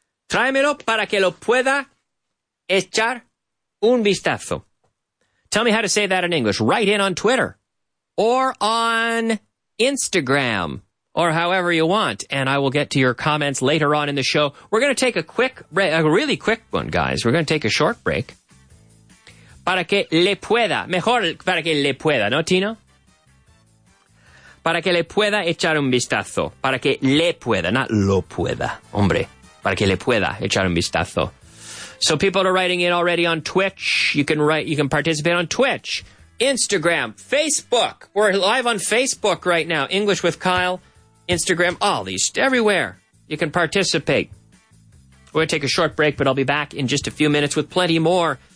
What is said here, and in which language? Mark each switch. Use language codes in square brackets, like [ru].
[es] Tráemelo para que lo pueda echar un vistazo. [en] Tell me how to say that in English. Write in on Twitter or on Instagram or however you want, and I will get to your comments later on in the show. We're going to take a really quick one, guys. We're going to take a short break. [es] Para que le pueda, mejor para que le pueda, ¿no, Tino? Para que le pueda echar un vistazo. Para que le pueda, not lo pueda. Hombre, para que le pueda echar un vistazo. [en] So people are writing in already on Twitch. You can participate on Twitch, Instagram, Facebook. We're live on Facebook right now. English with Kyle, Instagram, all these, everywhere. You can participate. We're going to take a short break, but I'll be back in just a few minutes with plenty more.